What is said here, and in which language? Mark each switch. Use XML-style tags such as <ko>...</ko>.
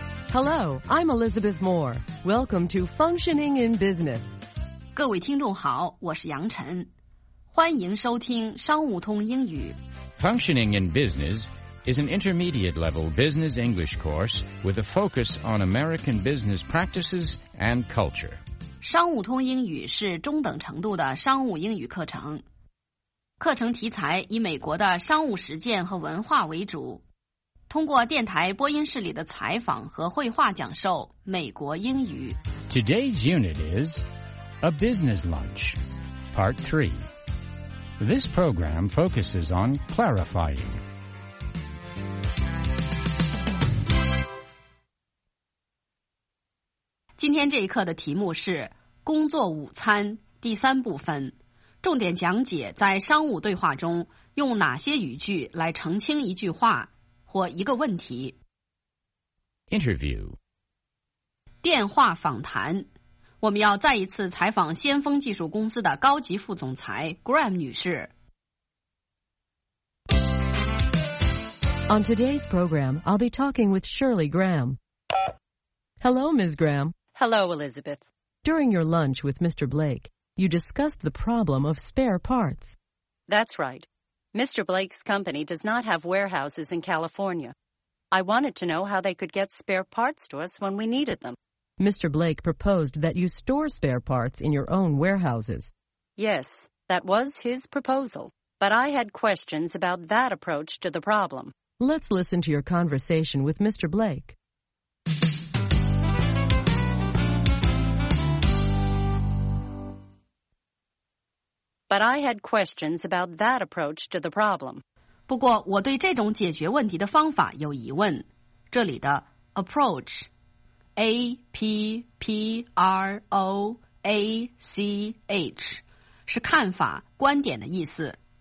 <en>Hello, I'm Elizabeth Moore. Welcome to Functioning in Business.</en> <zh>各位听众好，我是杨晨，欢迎收听商务通英语。</zh> <en>Functioning in Business is an intermediate level business English course with a focus on American business practices and culture.</en> <zh>商务通英语是中等程度的商务英语课程，课程题材以美国的商务实践和文化为主，通过电台播音室里的采访和绘画讲授美国英语。</zh> <en>Today's unit is A Business Lunch, Part 3. This program focuses on clarifying.</en> <zh>今天这一课的题目是工作午餐第三部分，重点讲解在商务对话中用哪些语句来澄清一句话或一个问题。</zh> <en>Interview，</en> <zh>电话访谈。我们要再一次采访先锋技术公司的高级副总裁 Graham 女士。</zh> <en>On today's program, I'll be talking with Shirley Graham. Hello, Ms. Graham. Hello, Elizabeth. During your lunch with Mr. Blake, you discussed the problem of spare parts. That's right. Mr. Blake's company does not have warehouses in California. I wanted to know how they could get spare parts to us when we needed them. Mr. Blake proposed that you store spare parts in your own warehouses. Yes, that was his proposal, but I had questions about that approach to the problem. Let's listen to your conversation with Mr. Blake. But I had questions about that approach to the problem.</en> <zh>不过我对这种解决问题的方法有疑问。这里的 approach, A-P-P-R-O-A-C-H, 是看法、观点的意思。</zh>